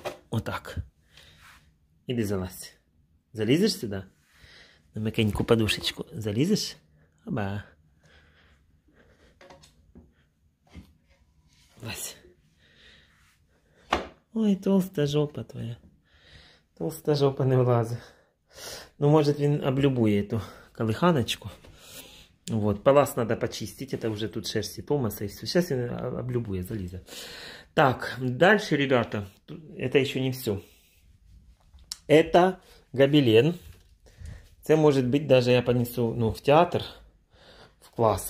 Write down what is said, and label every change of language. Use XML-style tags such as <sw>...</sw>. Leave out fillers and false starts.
<ru>Вот так. Иди залазь. Залезешь сюда? На мягенькую подушечку. Залезешь? Оба. Влазь. Ой, толстая жопа твоя.</ru> <uk>Толста жопа не влазить. Ну, може, він облюбує ту калиханочку.</uk> <ru>Вот, палас надо почистить, это уже тут шерсть и помаса, и все. Сейчас я облюбую, залезу. Так, дальше, ребята, это еще не все. Это гобелен. Это может быть, даже я понесу, ну, в театр, в класс.</ru>